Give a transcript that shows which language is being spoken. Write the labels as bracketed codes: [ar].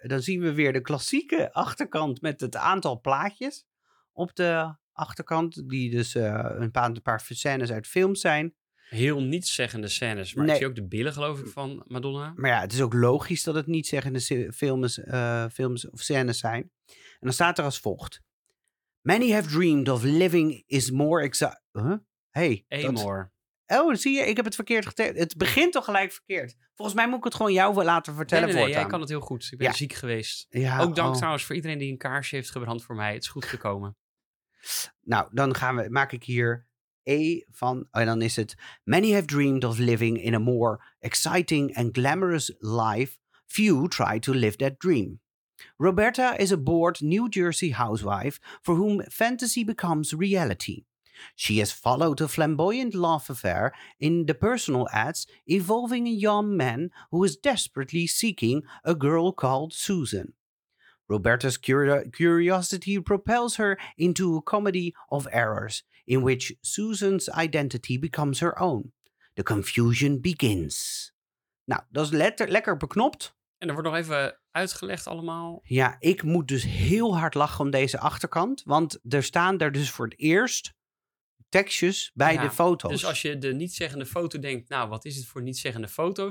[nl] Dan zien we weer de klassieke achterkant met het aantal plaatjes op de achterkant. Die dus een paar scènes uit films zijn. Heel nietszeggende scènes. Maar nee. Ik zie ook de billen, geloof ik, van Madonna. Maar ja, het is ook logisch dat het nietszeggende films of scènes zijn. En dan staat er als volgt. [en] Many have dreamed of living is more exciting. Huh? Hey. Amore. [nl] Oh, zie je? Ik heb het verkeerd geteld. Het begint toch gelijk verkeerd. Volgens mij moet ik het gewoon jou laten vertellen. Nee, jij kan het heel goed. Ik ben ziek geweest. Ja, ook dank trouwens voor iedereen die een kaarsje heeft gebrand voor mij. Het is goed gekomen. Nou, dan maak ik hier E van. En dan is het. [en] Many have dreamed of living in a more exciting and glamorous life. Few try to live that dream. Roberta is a bored New Jersey housewife for whom fantasy becomes reality. She has followed a flamboyant love affair in the personal ads, involving a young man who is desperately seeking a girl called Susan. Roberta's curiosity propels her into a comedy of errors, in which Susan's identity becomes her own. The confusion begins. [nl] Nou, dat is lekker beknopt. En er wordt nog even uitgelegd allemaal. Ja, ik moet dus heel hard lachen om deze achterkant. Want er staan daar dus voor het eerst tekstjes bij de foto's. Dus als je de nietszeggende foto denkt, nou, wat is het voor nietszeggende foto?